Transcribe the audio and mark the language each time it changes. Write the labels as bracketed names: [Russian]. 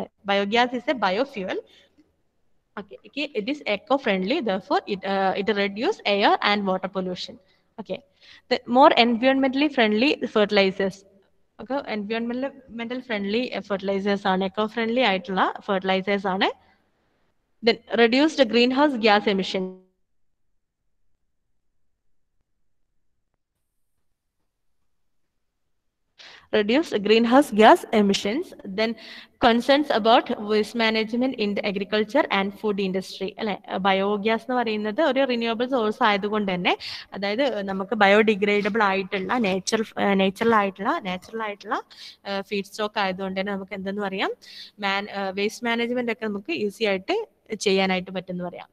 [English] Biogas is A biofuel. Okay, it is eco friendly, therefore it reduce air and water pollution. Okay, more എൻവയോൺമെന്റലി friendly fertilisers. [Malayalam] Okay, എൻവയോൺമെന്റൽ friendly fertilisers ആണ്, eco friendly ആയിട്ടുള്ള fertilisers ആണ്. [English] Then reduce the greenhouse gas emission. Reduce greenhouse gas emissions. Then concerns about waste management in the agriculture and food industry. [Malayalam] Biogas എന്ന് പറയുന്നത് ഒരു renewable source ആയതുകൊണ്ട് തന്നെ, അതായത് നമുക്ക് ബയോഡിഗ്രേഡബിൾ ആയിട്ടുള്ള നാച്ചുറൽ ആയിട്ടുള്ള ഫീഡ് സ്റ്റോക്ക് ആയതുകൊണ്ട് തന്നെ നമുക്ക് എന്തെന്ന് പറയാം, വേസ്റ്റ് മാനേജ്മെന്റ് ഒക്കെ നമുക്ക് ഈസി ആയിട്ട് ചെയ്യാനായിട്ട് പറ്റുമെന്ന് പറയാം.